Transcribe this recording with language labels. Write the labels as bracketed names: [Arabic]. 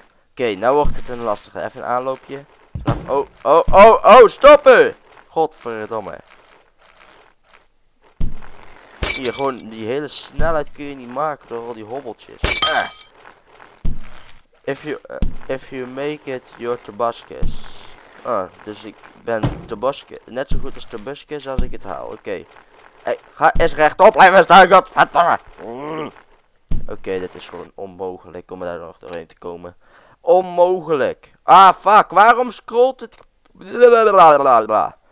[Dutch] Oké, nou wordt het een lastige. Even een aanloopje. Vanaf... Oh, stoppen! Godverdomme. Hier, gewoon die hele snelheid kun je niet maken door al die hobbeltjes. [English] If you make it, you're Tobuscus. [Dutch] Oh, dus ik ben Tobuscus. Net zo goed als Tobuscus als ik het haal. Oké. Hey, ga eens rechtop blijven staan, godverdomme! Oké, dit is gewoon onmogelijk om daar nog doorheen te komen. Onmogelijk. Ah, fuck. Waarom scrolt het? Blablabla.